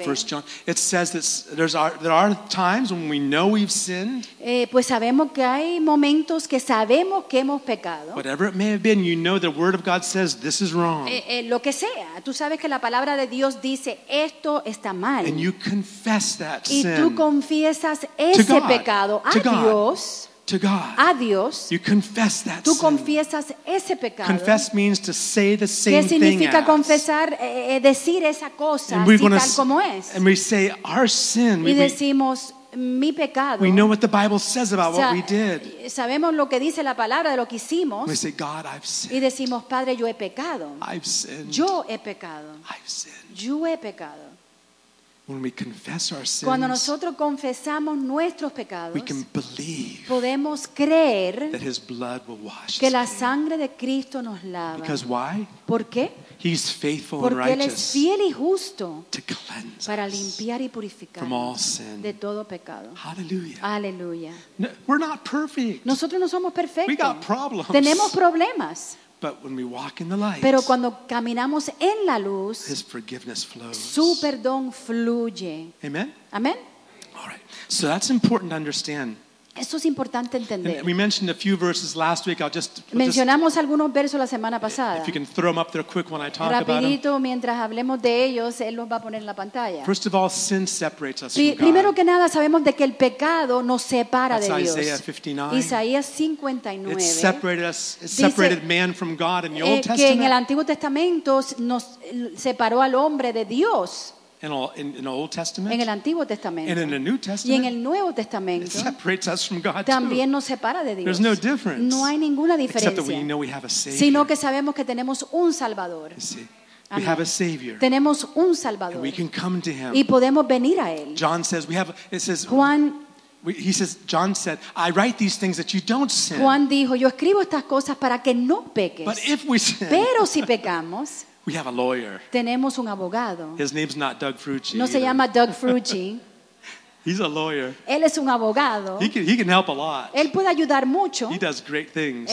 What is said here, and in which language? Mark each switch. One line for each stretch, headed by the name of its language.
English: First John, it says that there are times when we know we've sinned.
Spanish: Pues sabemos que hay momentos que sabemos que hemos pecado.
English: Whatever it may have been, you know the Word of God says this is wrong.
Spanish: Lo que sea, tú sabes que la palabra de Dios dice esto está mal.
English: And you confess that
Spanish: y
English: sin.
Spanish: Y tú confiesas ese
English: God,
Spanish: pecado a
English: God.
Spanish: Dios.
English: To God.
Spanish: A Dios.
English: You confess that
Spanish: tú
English: sin.
Spanish: Confiesas ese pecado.
English: Confess means to say the same thing.
Spanish: ¿Qué significa
English: thing
Spanish: confesar? Decir esa cosa así tal como es.
English: And we say our sin.
Spanish: Y decimos mi pecado.
English: We know what the Bible says about what we did.
Spanish: Sabemos lo que dice la palabra de lo que hicimos.
English: We say God, I've sinned.
Spanish: Y decimos Padre, yo he pecado.
English: I've sinned.
Spanish: Yo he pecado.
English: I've sinned.
Spanish: Yo he pecado.
English: When we confess our sins,
Spanish: cuando nosotros confesamos nuestros pecados,
English: we can believe
Spanish: podemos creer
English: that His blood will wash
Spanish: que la sangre de Cristo nos lava.
English: Because why?
Spanish: ¿Por qué?
English: He's faithful
Spanish: Porque
English: and righteous
Spanish: Él es fiel y justo
English: to cleanse
Spanish: para limpiar y purificar
English: from all sin.
Spanish: De todo pecado.
English: Hallelujah.
Spanish: Hallelujah.
English: No, we're not perfect.
Spanish: Nosotros no somos perfectos.
English: We got problems.
Spanish: Tenemos problemas.
English: But when we walk in the light,
Spanish: pero cuando caminamos en la luz,
English: His forgiveness flows.
Spanish: Su perdón fluye.
English: Amen.
Spanish: Amen.
English: All right. So that's important to understand.
Spanish: Eso es importante entender.
English: And we mentioned a few verses last week.
Spanish: Mencionamos algunos versos la semana pasada.
English: If you can throw them up there quick when I talk
Spanish: Rapidito,
English: about them.
Spanish: Rapidito, mientras hablemos de ellos, él los va a poner en la pantalla.
English: First of all, sin separates us from God.
Spanish: Primero que nada, sabemos de que el pecado nos separa
English: That's
Spanish: de Dios.
English: Isaiah 59.
Spanish: Isaías 59.
English: It separated us. It separated
Spanish: dice,
English: man from God in the Old Testament.
Spanish: Que en el Antiguo Testamento nos separó al hombre de Dios.
English: In the Old Testament,
Spanish: en el Antiguo Testamento,
English: and in the New Testament,
Spanish: y en el Nuevo Testamento,
English: it separates us from God
Spanish: también
English: too.
Spanish: Nos separa de Dios.
English: There's no difference.
Spanish: No hay ninguna diferencia.
English: Except that we know we have a Savior.
Spanish: Sino que sabemos que tenemos un Salvador.
English: We have a Savior.
Spanish: Tenemos un Salvador.
English: And we can come to Him.
Spanish: Y podemos venir a Él.
English: John says we have. It says
Spanish: Juan.
English: He says John said, I write these things that you don't sin.
Spanish: Juan dijo, yo escribo estas cosas para que no peques.
English: But if we sin,
Spanish: pero si pecamos.
English: We have a lawyer.
Spanish: Tenemos un abogado.
English: His name's not Doug Frucci.
Spanish: No se llama Doug Frucci.
English: He's a lawyer.
Spanish: Él es un abogado.
English: He can help a lot.
Spanish: Él puede ayudar mucho.
English: He does great things.